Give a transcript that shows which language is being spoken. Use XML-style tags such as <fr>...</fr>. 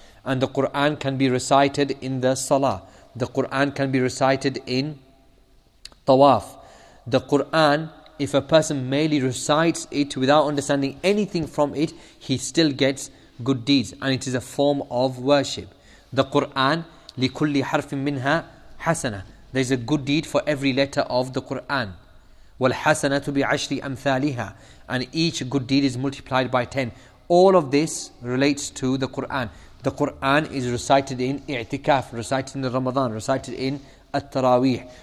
<en>And the Quran can be recited in the salah. The Quran can be recited in tawaf. The Quran, if a person merely recites it without understanding anything from it, he still gets good deeds, and it is a form of worship. The Quran,</en> <ar>لِكُلِّ حَرْفٍ مِّنْهَا حَسَنَةً.</ar> <en>There is a good deed for every letter of the Quran.</en> <ar>وَالْحَسَنَةُ بِعَشْرِ أَمْثَالِهَا.</ar> <en>And each good deed is multiplied by 10. All of this relates to the Quran. The Quran is recited in i'tikaf, recited in Ramadan, recited in at-Tarawih.</en>